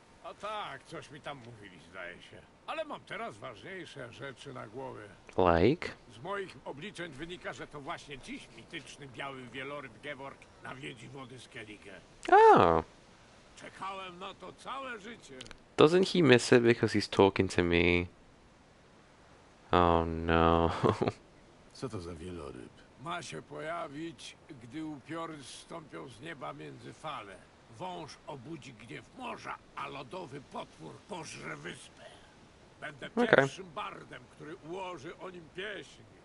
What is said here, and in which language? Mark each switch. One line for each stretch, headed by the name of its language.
Polish: A tak, coś mi tam mówili, zdaje się. Ale mam teraz ważniejsze rzeczy na głowie.
English: Like?
Polish: Z moich obliczeń wynika, że to właśnie dziś mityczny biały wieloryb Gevorg nawiedzi wody Skellige.
English: Oh.
Polish: Czekałem na to całe życie.
English: Doesn't he miss it because he's talking to me? Oh no.
Polish: Co to za wieloryb? Ma się pojawić, gdy upiory zstąpią z nieba między fale. Wąż obudzi gniew morza, a lodowy potwór pożre wyspę. Będę pierwszym bardem, który ułoży o nim pieśń.